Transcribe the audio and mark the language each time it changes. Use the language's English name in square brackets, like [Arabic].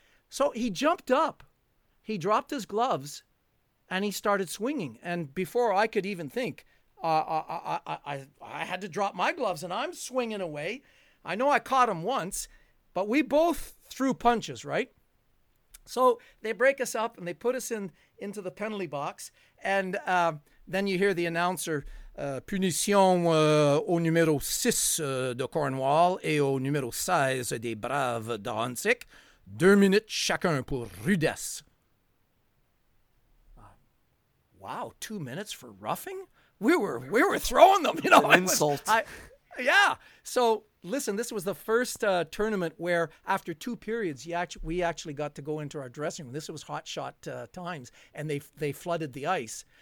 [English] So he jumped up, he dropped his gloves, and he started swinging. And before I could even think, I had to drop my gloves, and I'm swinging away. I know I caught him once, but we both threw punches, right? So they break us up and they put us into the penalty box. And then you hear the announcer, [French] punition au numéro 6 de Cornwall et au numéro 16 des Braves d'Ahuntsic. 2 minutes chacun pour rudesse. [English] Wow, 2 minutes for roughing? We were throwing them, you know. An insult. So listen, this was the first tournament where after two periods, we actually got to go into our dressing room. This was hot shot times, and they flooded the ice.